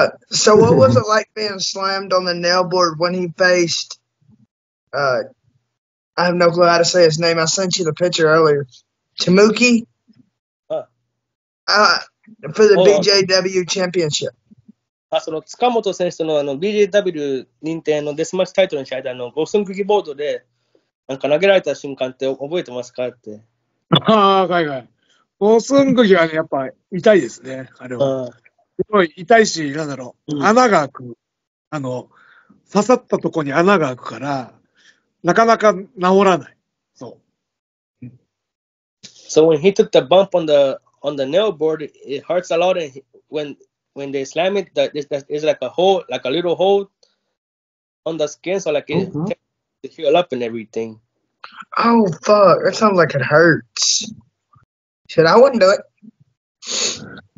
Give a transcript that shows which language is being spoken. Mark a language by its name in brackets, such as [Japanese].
[English] So what was it like being slammed on the nail board when he faced, I have no clue how to say his name, I sent you the picture earlier, Chimuki? For the BJW championship. [Japanese] その塚本選手 の BJW 認定のデスマッチタイトルの試合で、ゴスンクギボードで、なんか投げられた瞬間って覚えてますかって。ああ、はいはい。ゴスンクギはね、やっぱ痛いですね、あれは。すごい痛いし、なんだろう、穴が開く、刺さったとこに穴が開くから、なかなか治らない。そう。 [English] So when he took the bump on the nail board, it hurts a lot. And when they slam it, it's like a hole, like a little hole on the skin, so like it to heal up and everything. Oh fuck! That sounds like it hurts. Shit, I wouldn't do it.